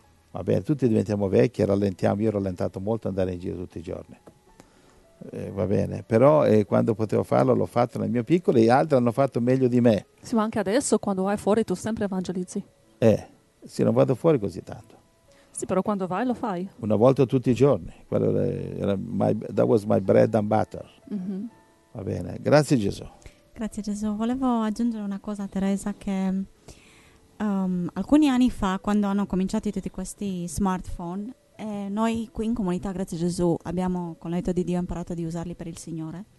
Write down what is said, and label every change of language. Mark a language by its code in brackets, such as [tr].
[it] Va bene, tutti diventiamo vecchi e rallentiamo. Io ho rallentato molto andare in giro tutti i giorni. Va bene, però quando potevo farlo l'ho fatto nel mio piccolo e altri hanno fatto meglio di me. Sì, ma anche adesso quando vai fuori tu sempre evangelizzi. Sì, non vado fuori così tanto. Sì, però quando vai lo fai. Una volta tutti i giorni. [en] Quello era that was my bread and butter. [it] Mm-hmm. Va bene, grazie Gesù. Grazie Gesù. Volevo aggiungere una cosa, Teresa, che alcuni anni fa, quando hanno cominciato tutti questi smartphone, noi qui in comunità, grazie Gesù, abbiamo con l'aiuto di Dio imparato di usarli per il Signore.